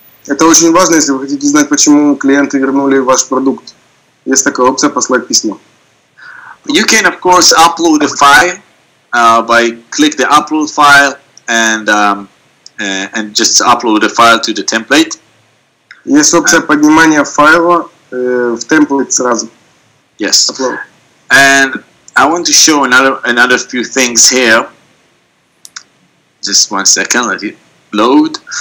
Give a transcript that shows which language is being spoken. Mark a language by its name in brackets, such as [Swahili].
[Russian] Это очень важно, если вы хотите знать, почему клиенты вернули ваш продукт. Есть такая опция послать письмо. [English] You can, of course, upload a file by click the upload file and just upload a file to the template. [Russian] Есть опция поднимания файла в template сразу. [English] Yes. Upload. And I want to show another few things here. Just one second, let it load.